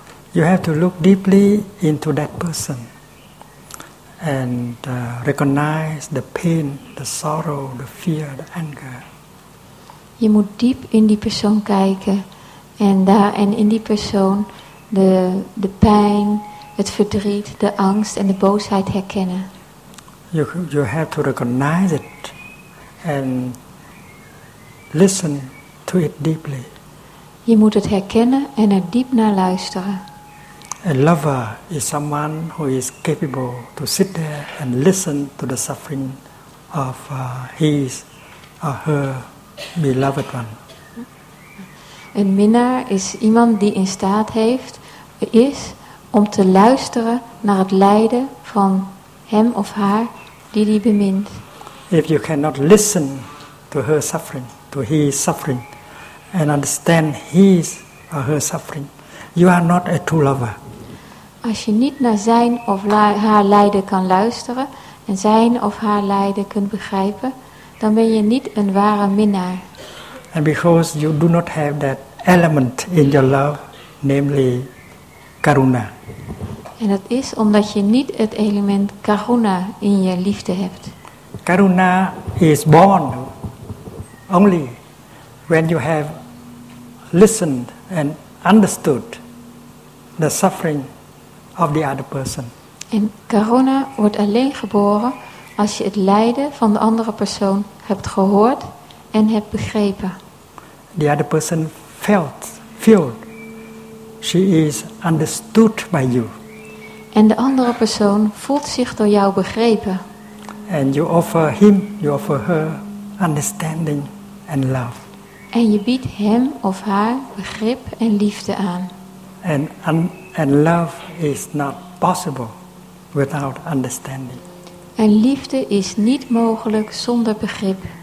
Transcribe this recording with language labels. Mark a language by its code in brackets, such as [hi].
[en] You have to look deeply into that person and recognize the pain, the sorrow, the fear, the anger. [nl] Je moet diep in die persoon kijken En in die persoon de pijn, het verdriet, de angst en de boosheid herkennen. [en] You have to recognize it and listen to it deeply. [nl] Je moet het herkennen en er diep naar luisteren. [en] A lover is someone who is capable to sit there and listen to the suffering of his or her beloved one. [nl] Een minnaar is iemand die in staat heeft, is om te luisteren naar het lijden van hem of haar die hij bemint. [en] If you cannot listen to her suffering, to his suffering, and understand his or her suffering, you are not a true lover. [nl] Als je niet naar zijn of haar lijden kan luisteren en zijn of haar lijden kunt begrijpen, dan ben je niet een ware minnaar. [en] And because you do not have that element in your love, namely karuna. [nl] En dat is omdat je niet het element karuna in je liefde hebt. [en] Karuna is born only when you have listened and understood the suffering of the other person. [nl] En karuna wordt alleen geboren als je het lijden van de andere persoon hebt gehoord en hebt begrepen. [en] The other person felt she is understood by you. [nl] En de andere persoon voelt zich door jou begrepen. [en] And you offer him, you offer her understanding and love. [nl] En je biedt hem of haar begrip en liefde aan. [en] And love is not possible without understanding. [nl] En liefde is niet mogelijk zonder begrip.